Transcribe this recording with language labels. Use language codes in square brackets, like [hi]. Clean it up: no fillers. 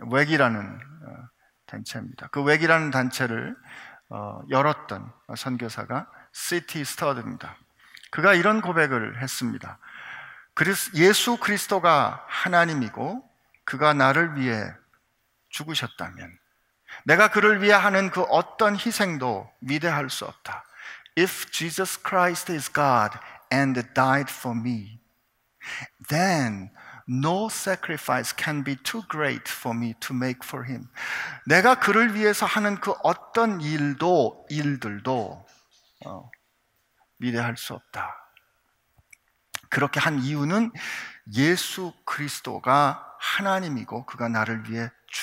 [ko] 웨기라는 단체입니다. 그 웨기라는 단체를 열었던 선교사가 시티 스터드입니다. 그가 이런 고백을 했습니다. 예수 그리스도가 하나님이고 그가 나를 위해 죽으셨다면 내가 그를 위해 하는 그 어떤 희생도 위대할 수 없다. [en] If Jesus Christ is God and died for me, then no sacrifice can be too great for me to make for him. [ko] 내가 그를 위해서 하는 그 어떤 일들도 위대할 수 없다. 그렇게 한 이유는 예수 그리스도가 하나님이고 그가 나를 위해 죽으셨다.